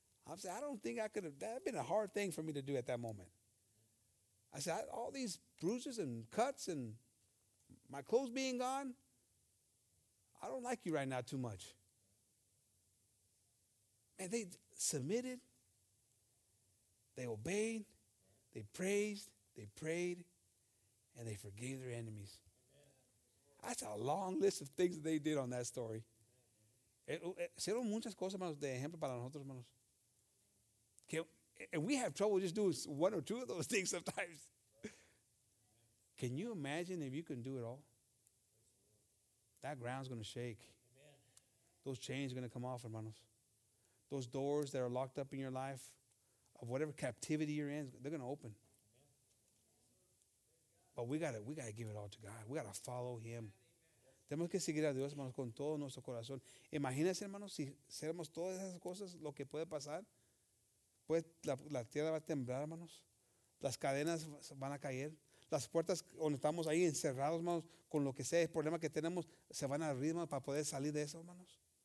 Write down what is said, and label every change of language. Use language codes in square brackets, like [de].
[en] I'm saying, I don't think I could have, that'd been a hard thing for me to do at that moment. I said, all these bruises and cuts and my clothes being gone, I don't like you right now too much. Man, they submitted, They obeyed, they praised, they prayed, and they forgave their enemies. That's a long list of things that they did on that story. [es] Hicieron muchas cosas, hermanos, de ejemplo para nosotros, hermanos. [en] And we have trouble just doing one or two of those things sometimes. Can you imagine if you can do it all? That ground's going to shake. Those chains are going to come off, hermanos. Those doors that are locked up in your life, of whatever captivity you're in, they're going to open. But we got to give it all to God. We got to follow Him. [es] Tenemos que seguir a Dios, hermanos, con todo nuestro corazón. Imagínense, hermanos, si hacemos todas esas cosas, lo que puede pasar, pues la tierra va a temblar, hermanos. Las cadenas van a caer. Las puertas donde estamos ahí encerrados, hermanos, con lo que sea, el problema que tenemos, se van a abrir, hermanos, para poder salir de eso, hermanos.